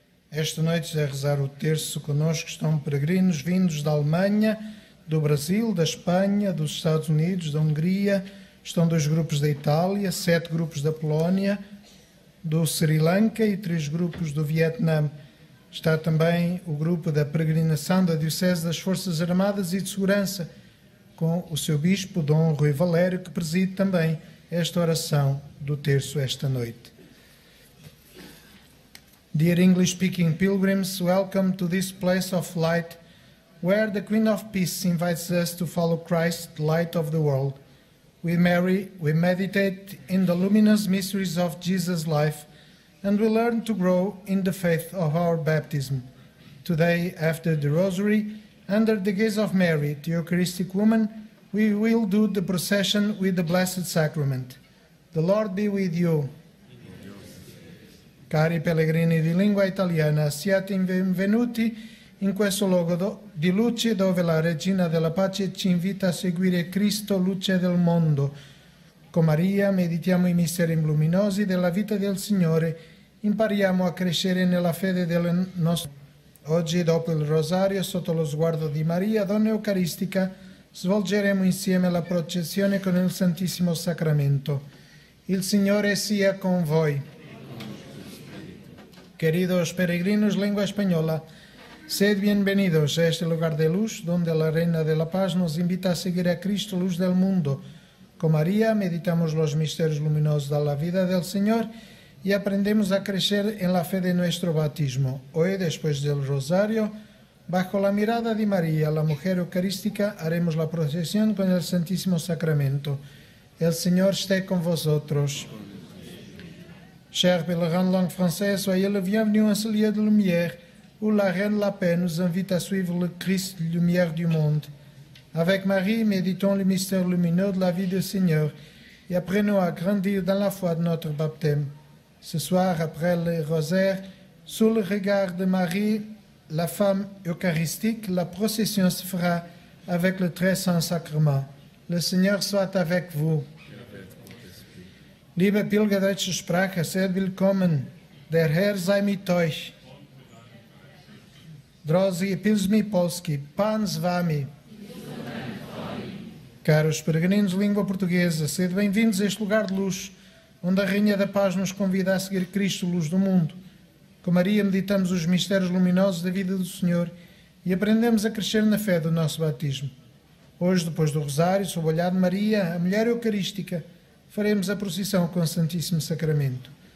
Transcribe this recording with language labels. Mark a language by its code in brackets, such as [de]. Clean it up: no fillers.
[pt] A rezar o terço connosco estão peregrinos vindos da Alemanha, do Brasil, da Espanha, dos Estados Unidos, da Hungria, estão dois grupos da Itália, sete grupos da Polónia, do Sri Lanka e três grupos do Vietnã. Está também o grupo da peregrinação da Diocese das Forças Armadas e de Segurança, com o seu bispo, Dom Rui Valério, que preside também esta oração do terço esta noite. [en] Dear English-speaking pilgrims, welcome to this place of light where the Queen of Peace invites us to follow Christ, the light of the world. We marry, we meditate in the luminous mysteries of Jesus' life and we learn to grow in the faith of our baptism. Today, after the Rosary, under the gaze of Mary, the Eucharistic woman, we will do the procession with the Blessed Sacrament. The Lord be with you. [it] Cari pellegrini di lingua italiana, siate benvenuti in questo luogo di luce dove la Regina della Pace ci invita a seguire Cristo, luce del mondo. Con Maria meditiamo i misteri luminosi della vita del Signore, impariamo a crescere nella fede del nostro. Oggi, dopo il Rosario, sotto lo sguardo di Maria, Donna Eucaristica, svolgeremo insieme la processione con il Santissimo Sacramento. Il Signore sia con voi. [es] Queridos peregrinos, lengua española, sed bienvenidos a este lugar de luz, donde la Reina de la Paz nos invita a seguir a Cristo, luz del mundo. Con María, meditamos los misterios luminosos de la vida del Señor y aprendemos a crecer en la fe de nuestro bautismo. Hoy, después del Rosario, bajo la mirada de María, la Mujer Eucarística, haremos la procesión con el Santísimo Sacramento. El Señor esté con vosotros. [fr] Chers pèlerins langue française, soyez le bienvenu en ce lieu de lumière où la Reine de la Paix nous invite à suivre le Christ, lumière du monde. Avec Marie, méditons le mystère lumineux de la vie du Seigneur et apprenons à grandir dans la foi de notre baptême. Ce soir, après le rosaire, sous le regard de Marie, la femme eucharistique, la procession se fera avec le très saint sacrement. Le Seigneur soit avec vous. [de] Liebe Pilger deutscher Sprache, sehr willkommen. Der Herr sei mit euch. [pl] Drodzy Pilzmi Polski, Pan z Wami. [pt] Caros peregrinos, língua portuguesa, sejam bem-vindos a este lugar de luz, onde a Rainha da Paz nos convida a seguir Cristo, luz do mundo. Com Maria, meditamos os mistérios luminosos da vida do Senhor e aprendemos a crescer na fé do nosso batismo. Hoje, depois do Rosário, sob o olhar de Maria, a Mulher Eucarística, faremos a procissão com o Santíssimo Sacramento.